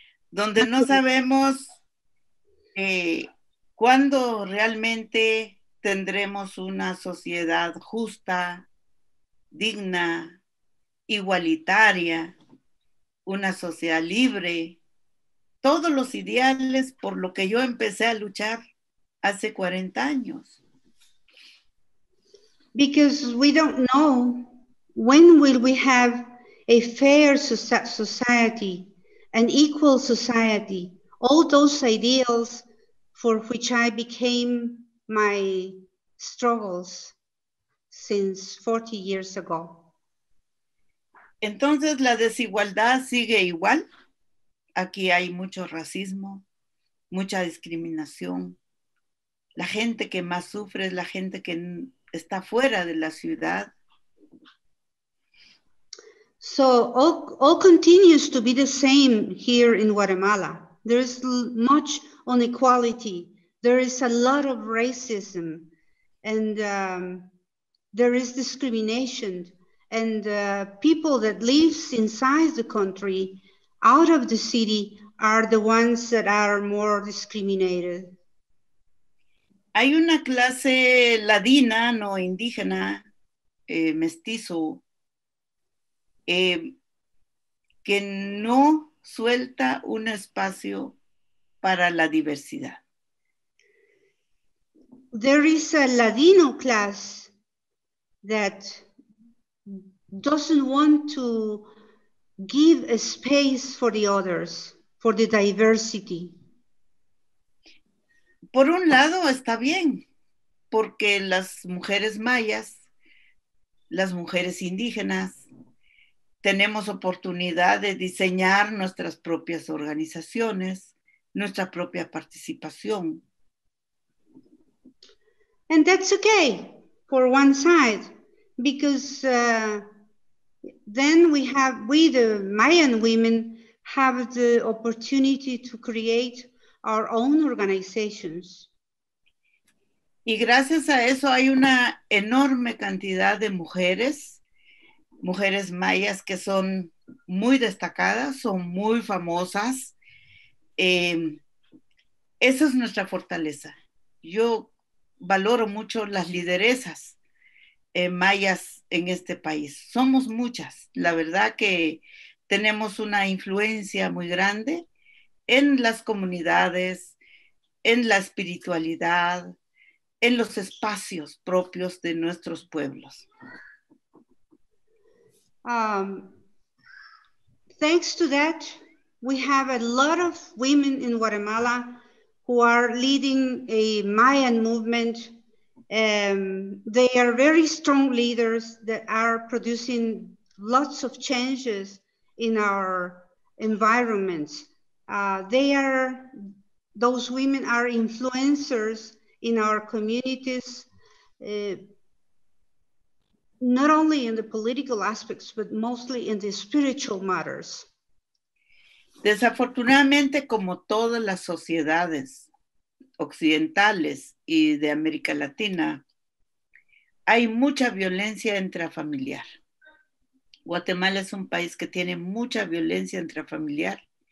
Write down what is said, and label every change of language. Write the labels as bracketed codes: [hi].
[es] Donde no sabemos cuándo realmente tendremos una sociedad justa, digna, igualitaria, una sociedad libre. Todos los ideales por lo que yo empecé a luchar hace 40 años. [en] Because we don't know when will we have a fair society, an equal society, all those ideals for which I became my struggles since 40 years ago. [es] Entonces, ¿la desigualdad sigue igual? Aquí hay mucho racismo, mucha discriminación. La gente que más sufre es la gente que está fuera de la ciudad. [en] So, all continues to be the same here in Guatemala. There is much inequality. There is a lot of racism. And there is discrimination. And people that live inside the country, out of the city, are the ones that are more discriminated. [es] Hay una clase ladina, no indígena, mestizo que no suelta un espacio para la diversidad. [en] There is a Latino class that doesn't want to give a space for the others, for the diversity. [es] Por un lado está bien, porque las mujeres mayas, las mujeres indígenas, tenemos oportunidad de diseñar nuestras propias organizaciones, nuestra propia participación. [en] And that's okay for one side, because then we the Mayan women have the opportunity to create our own organizations. [es] Y gracias a eso hay una enorme cantidad de mujeres, mujeres mayas que son muy destacadas, son muy famosas. Esa es nuestra fortaleza. Yo valoro mucho las lideresas mayas en este país. Somos muchas. La verdad que tenemos una influencia muy grande en las comunidades, en la espiritualidad, en los espacios propios de nuestros pueblos. [en] Thanks to that, we have a lot of women in Guatemala who are leading a Mayan movement. They are very strong leaders that are producing lots of changes in our environment. Those women are influencers in our communities, not only in the political aspects, but mostly in the spiritual matters. [es] Desafortunadamente, como todas las sociedades occidentales y de América Latina, hay mucha violencia intrafamiliar. Guatemala es un país que tiene mucha violencia intrafamiliar.